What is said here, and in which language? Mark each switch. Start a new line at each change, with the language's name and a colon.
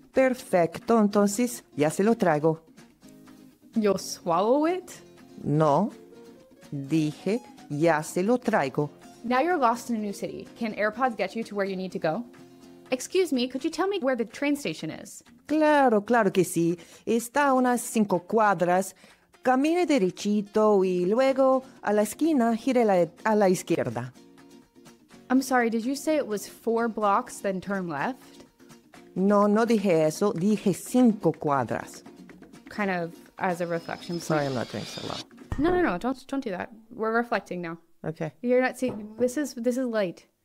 Spanish: Perfecto, entonces ya se lo traigo.
English: ¿You'll swallow it?
Spanish: No, dije ya se lo traigo.
English: Now you're lost in a new city. Can AirPods get you to where you need to go? Excuse me, could you tell me where the train station is?
Spanish: Claro, claro que sí. Está a unas 5 cuadras. Camine derechito y luego a la esquina, gire a la izquierda.
English: I'm sorry, did you say it was 4 blocks, then turn left?
Spanish: No, no dije eso. Dije 5 cuadras.
English: Kind of as a reflection. Please. Sorry, I'm not doing so well. No. Don't do that. We're reflecting now. Okay. You're not seeing. This is light.